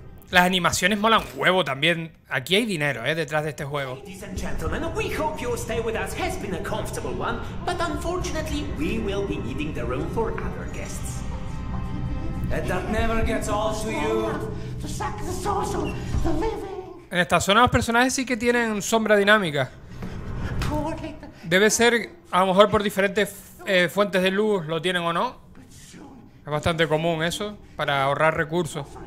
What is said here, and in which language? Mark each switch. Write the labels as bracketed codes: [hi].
[es] Las animaciones molan huevo también. Aquí hay dinero, detrás de este juego. [en] Ladies and gentlemen, we hope your stay with us has been a comfortable one, but unfortunately we will be needing the room for other guests. That never gets old to you. The sack, the social, the living. [es] En esta zona los personajes sí que tienen sombra dinámica. Debe ser, a lo mejor por diferentes fuentes de luz lo tienen o no. Es bastante común eso, para ahorrar recursos.